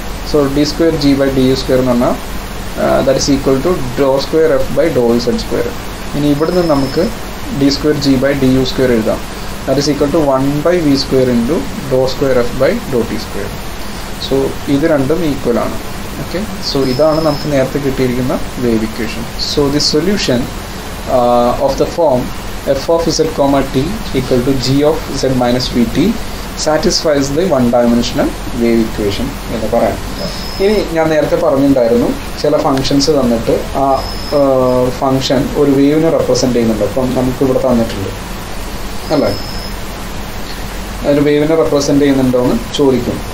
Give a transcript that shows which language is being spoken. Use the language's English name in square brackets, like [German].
[English] so d square g by d u square [Malayalam] എന്ന് പറഞ്ഞാൽ [English] That is equal to do square f by do zed square. [Malayalam] ഇനി ഇവിടെ നിന്ന് നമുക്ക് [English] d square g by d u square [Malayalam] എഴുതാം, [English] That is equal to 1/v² into do square f by do t square. [Malayalam] So ഇത് രണ്ടും equal ആണ്. Okay, so ഇതാണ് നമുക്ക് നേരത്തെ കിട്ടിയിരിക്കുന്ന wave equation. [English] so the solution of the form f of z, t equal to g of z minus vt satisfies the one-dimensional wave equation [Malayalam] എന്ന് പറയാം. ഇനി ഞാൻ നേരത്തെ പറഞ്ഞിട്ടുണ്ടായിരുന്നു ചില ഫങ്ഷൻസ് തന്നിട്ട് ആ ഫങ്ഷൻ ഒരു വേവിനെ റെപ്രസെൻ്റ് ചെയ്യുന്നുണ്ട്. അപ്പം നമുക്കിവിടെ തന്നിട്ടുണ്ട് അല്ലേ, ഒരു വേവിനെ റെപ്രസെൻ്റ് ചെയ്യുന്നുണ്ടോ എന്ന് ചോദിക്കും.